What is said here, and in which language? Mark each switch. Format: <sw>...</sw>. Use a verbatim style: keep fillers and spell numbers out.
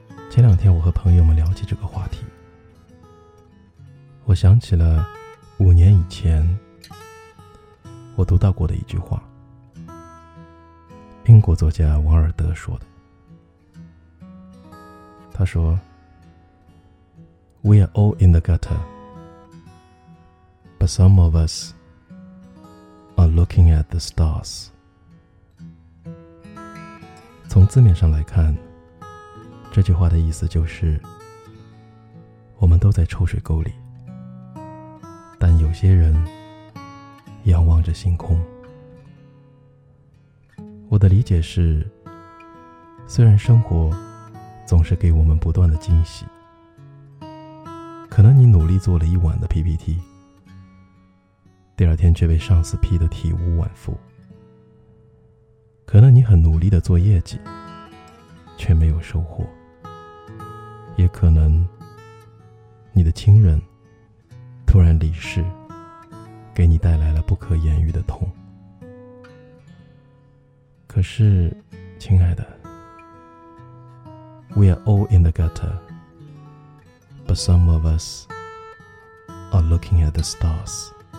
<zh>前两天我和朋友们聊起这个话题，我想起了五年以前我读到过的一句话，英国作家王尔德说的。他说</zh> <en>We are all in the gutter, but some of us are looking at the stars。</en> <zh>从字面上来看，这句话的意思就是我们都在臭水沟里，但有些人仰望着星空。我的理解是，虽然生活总是给我们不断的惊喜，可能你努力做了一晚的 P P T， 第二天却被上司批得体无完肤，可能你很努力的做业绩却没有收获，也可能你的亲人突然离世，给你带来了不可言喻的痛。可是亲爱的，</zh> <en>We are all in the gutter, but some of us are looking at the stars.</en>